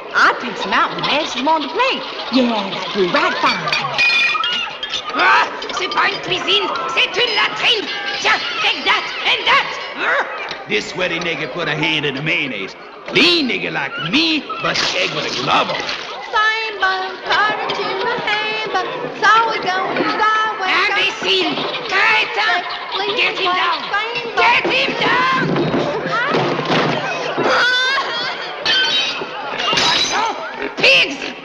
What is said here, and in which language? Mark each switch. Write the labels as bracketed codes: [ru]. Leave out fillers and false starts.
[en] I'd take some out and mash them on the plate. Yeah, that'd be right fine. [fr] Ah, c'est pas une cuisine, c'est une latrine. [en] Tiens, take that and that. This sweaty nigga put a hand in the mayonnaise. Clean nigga like me, but egg with a glove on. Same bun, carrot in my hand. Mister. So we go. Have you seen? Get him down! Get him down! Get him down! Pigs!